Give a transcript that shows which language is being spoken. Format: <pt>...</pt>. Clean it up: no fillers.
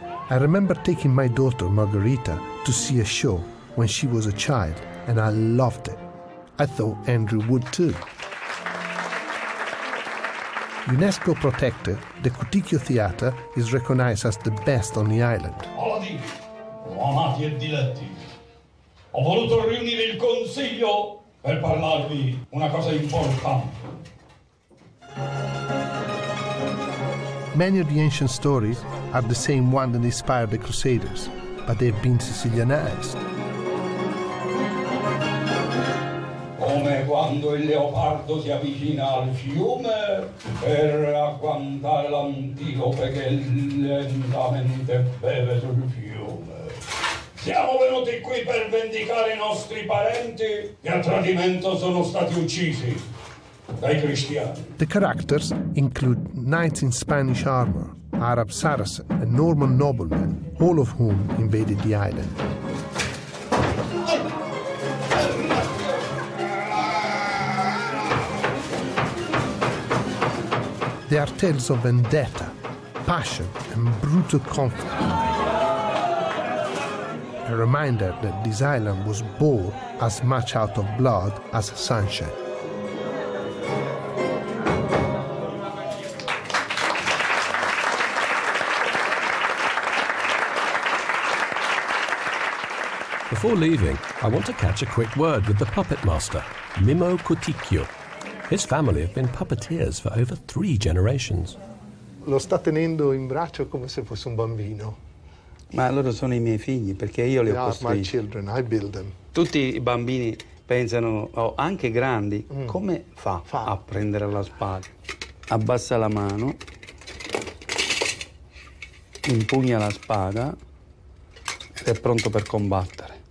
<en>I remember taking my daughter, Margherita, to see a show when she was a child, and I loved it. I thought Andrew would too. UNESCO protected, the Cuticchio Theatre is recognized as the best on the island.</en> <it>Amati e diletti, ho voluto riunire il consiglio per parlarvi una cosa importante.</it> <en>Many of the ancient stories are the same ones that inspired the Crusaders, but they've been Sicilianized.</en> <it>Come quando il leopardo si avvicina al fiume per agguantare l'antilope che lentamente beve sul fiume. Siamo venuti qui per vendicare i nostri parenti che a tradimento sono stati uccisi dai cristiani.</it> <en>The characters include knights in Spanish armor, Arab Saracen, and Norman noblemen, all of whom invaded the island. They are tales of vendetta, passion, and brutal conflict. A reminder that this island was born as much out of blood as sunshine. Before leaving, I want to catch a quick word with the puppet master, Mimmo Cuticchio. His family have been puppeteers for over three generations.</en> <it>Lo sta tenendo in braccio come se fosse un bambino. Ma loro sono I miei figli perché io li ho costruiti.</it> <en>They are my children, I build them.</en> <it>Tutti I bambini pensano, anche grandi, come fa a prendere la spada? Abbassa la mano, impugna la spada ed è pronto per combattere.</it>